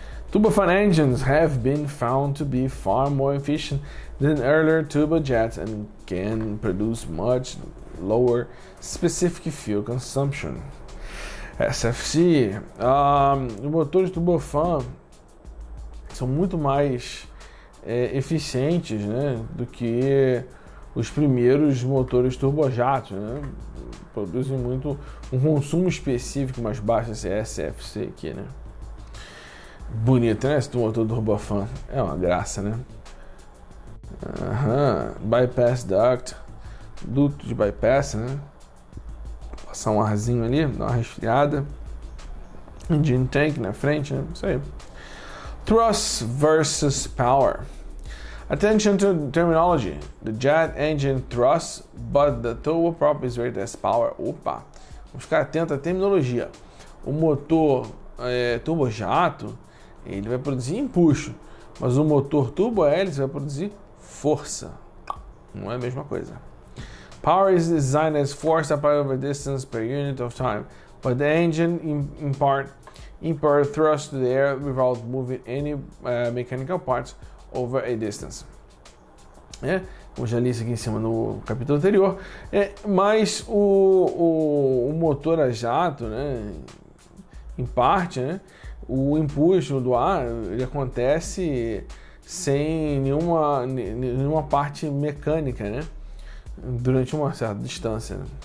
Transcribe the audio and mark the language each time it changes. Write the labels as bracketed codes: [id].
[en] Turbofan engines have been found to be far more efficient than earlier turbojets and can produce much lower specific fuel consumption. [pt] SFC, os motores de turbofan são muito mais eficientes, né, do que os primeiros motores turbojato, né? Produzem muito um consumo específico mais baixo, esse SFC aqui, né? Bonito, né? Esse motor turbofan é uma graça, né? Bypass duct, duto de bypass, né? Passar um arzinho ali, dar uma resfriada. Engine tank na frente, né? Isso aí. [en] Thrust versus power. Attention to terminology. The jet engine thrust, but the turboprop is rated as power. [pt] Opa! Vamos ficar atento à terminologia. O motor turbojato, ele vai produzir empuxo, mas o motor turbo hélice vai produzir força. Não é a mesma coisa. [en] Power is designed as force applied over distance per unit of time, but the engine impart thrust to the air without moving any mechanical parts over a distance. [pt] É, eu já li isso aqui em cima no capítulo anterior. É, mas o motor a jato, né, em parte, né, o empuxo do ar, ele acontece sem nenhuma parte mecânica, né, durante uma certa distância, né.